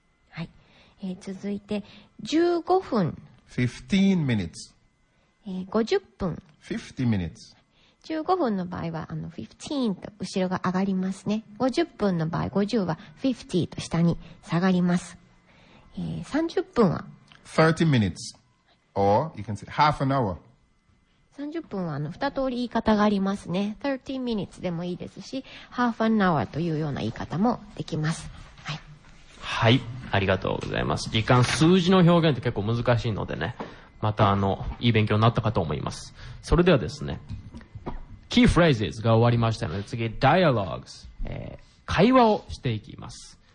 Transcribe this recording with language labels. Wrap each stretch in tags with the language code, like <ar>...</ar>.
<ja>はい。続いて、15分。</ja> <en>15 minutes。</en> <ja>50分。</ja> <en>50 minutes.</en> <ja>15分の場合は15と後ろが上がりますね。 50分の場合50は50と下に下がります。 30分は</ja> <en>30 minutes. Or you can say half an hour.</en> <ja>30分は2通り言い方がありますね。</ja> <en>30 minutes</en> <ja>でもいいですし、</ja> <en>half an hour</en> <ja>というような言い方もできます。はい。はい。ありがとうございます。時間、数字の表現って結構難しいのでね。またいい勉強になったかと思います。それではですね、キーフレーズが終わりましたので、次、ダイアログス、会話をしていきます。</ja>